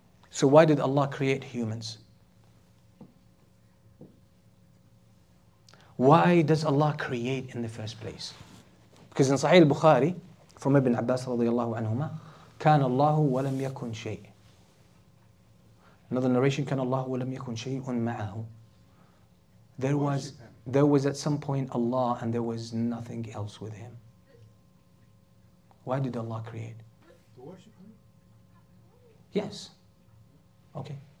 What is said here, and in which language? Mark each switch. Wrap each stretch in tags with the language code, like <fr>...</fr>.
<en>So why did Allah create humans? Why does Allah create in the first place? Because in Sahih al-Bukhari, from Ibn Abbas radiallahu anhuma,</en> <ar>كان الله ولم يكن شيء.</ar> <en>Another narration,</en> <ar>كان الله ولم يكن شيء معه.</ar> <en>There was at some point Allah and there was nothing else with Him. Why did Allah create? To worship Him? Yes. Okay.</en>